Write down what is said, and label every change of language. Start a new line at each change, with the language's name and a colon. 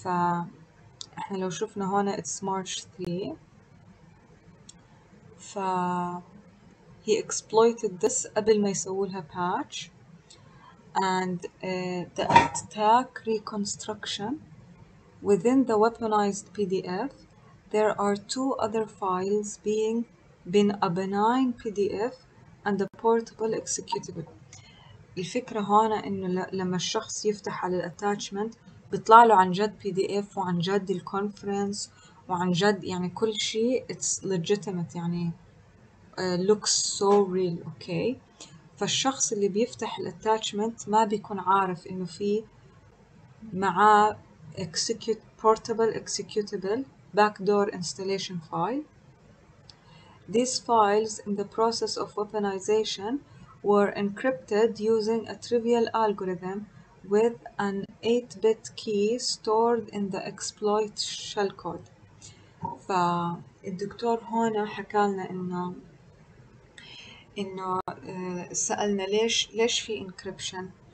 Arabic: فاحنا لو شفنا هون
English: it's March 3 ف he exploited this
Arabic: قبل ما يسولها
English: patch and the attack reconstruction within the weaponized PDF there are two other files being been a benign PDF and a portable executable.
Arabic: الفكرة هون انه لما الشخص يفتح على الاتاتشمنت بيطلع له عن جد PDF وعن جد الكونفرنس وعن جد يعني كل شيء
English: it's legitimate
Arabic: يعني
English: looks so real.
Arabic: okay فالشخص اللي بيفتح الاتاتشمنت ما بيكون عارف انه في معاه portable executable backdoor installation file.
English: These files in the process of weaponization were encrypted using a trivial algorithm with an 8-bit key stored in the exploit shellcode.
Arabic: فالدكتور هون حكى لنا انه سألنا ليش في encryption.